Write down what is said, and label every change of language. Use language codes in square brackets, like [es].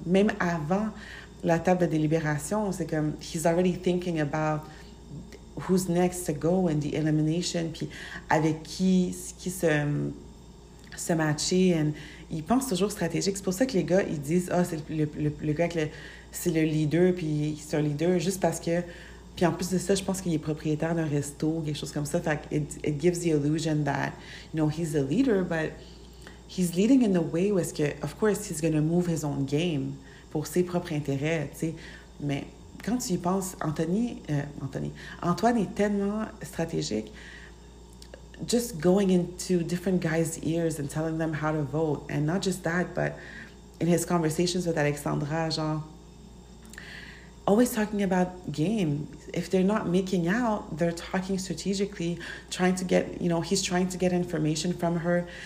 [fr] Même avant la table de délibération, c'est comme, [en] he's already thinking about who's next to go and the elimination, [fr] puis avec qui se matcher. And il pense toujours stratégique. C'est pour ça que les gars, ils disent, oh, c'est le gars, c'est le leader, puis c'est un leader, juste parce que, puis en plus de ça, je pense qu'il est propriétaire d'un resto, quelque chose comme ça. [en] Fait it gives the illusion that, you know, he's a leader, but he's leading in the way [fr] où est-ce que, [en] of course, he's going to move his own game [fr] pour ses propres intérêts, tu sais. Mais quand tu y penses, Antoine est tellement stratégique. [en] Just going into different guys' ears and telling them how to vote. And not just that, but in his conversations with Alexandra, genre, always talking about game. If they're not making out, they're talking strategically, trying to get, you know, he's trying to get information from her.